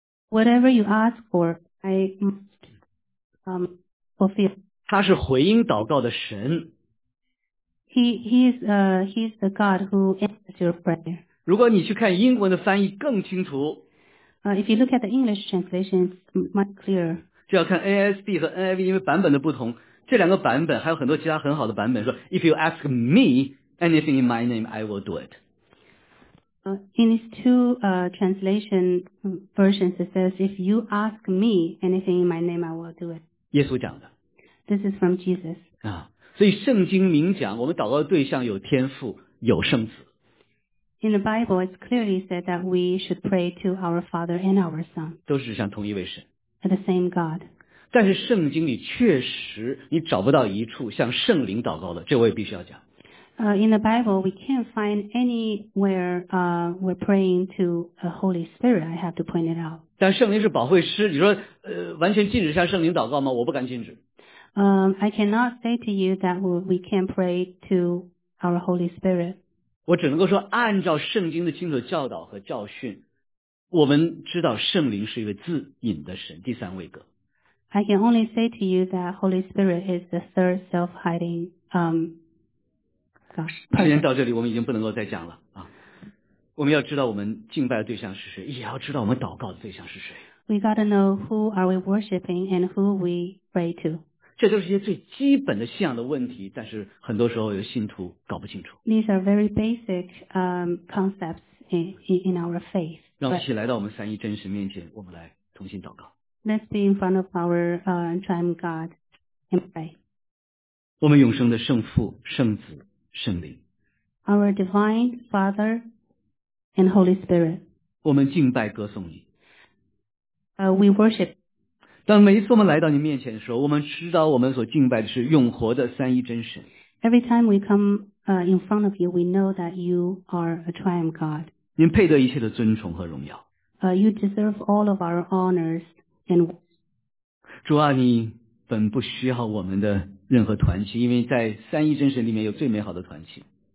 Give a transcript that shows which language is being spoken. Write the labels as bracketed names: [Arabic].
[English] Whatever you ask for, I must fulfill. [Chinese] 他是回应祷告的神。 [English] He's the God who answers your prayer. [Chinese] 如果你去看英文的翻译更清楚。 [English] If you look at the English translation, it's much clearer. [Chinese] 就要看 ASB 和 NIV， 因为版本的不同，这两个版本还有很多其他很好的版本。说 ， [English] If you ask me anything in my name, I will do it. In these two translation versions, it says, "If you ask me anything in my name, I will do it." [Chinese] 耶稣讲的。 [English] This is from Jesus. 啊。 [Chinese] 所以圣经明讲，我们祷告的对象有天父，有圣子。 [English] In the Bible, it's clearly said that we should pray to our Father and our Son. [Chinese] 都是指向同一位神。 [English] At the same God. [Chinese] 但是圣经里确实你找不到一处向圣灵祷告的，这我也必须要讲。 [English] In the Bible, we can't find anywhere we're praying to a Holy Spirit. I have to point it out. [Chinese] 但圣灵是保惠师，你说完全禁止向圣灵祷告吗？我不敢禁止。 [English] I cannot say to you that we can't pray to our Holy Spirit. [Chinese] 我只能够说，按照圣经的清楚教导和教训，我们知道圣灵是一个自隐的神，第三位格。 [English] I can only say to you that Holy Spirit is the third self-hiding, God. [Chinese] 时间到这里，我们已经不能够再讲了啊！我们要知道我们敬拜的对象是谁，也要知道我们祷告的对象是谁。 [English] We gotta know who are we worshiping and who we pray to. [Chinese] 这都是一些最基本的信仰的问题，但是很多时候有信徒搞不清楚。 [English] These are very basic, concepts in our faith. [Chinese] 让我们一起来到我们三一真实面前，我们来同心祷告。 [English] Let's be in front of our triune God and pray. [Chinese] 我们永生的圣父、圣子、圣灵。 [English] Our divine Father and Holy Spirit. [Chinese] 我们敬拜歌颂你。 [English] We worship. [Chinese] 当每一次我们来到你面前的时候，我们知道我们所敬拜的是永活的三一真神。 [English] Every time we come in front of you, we know that you are a triune God. [Chinese] 您配得一切的尊崇和荣耀。 [English] You deserve all of our honors. [Chinese] 主啊，你本不需要我们的任何团契，因为在三一真神里面有最美好的团契。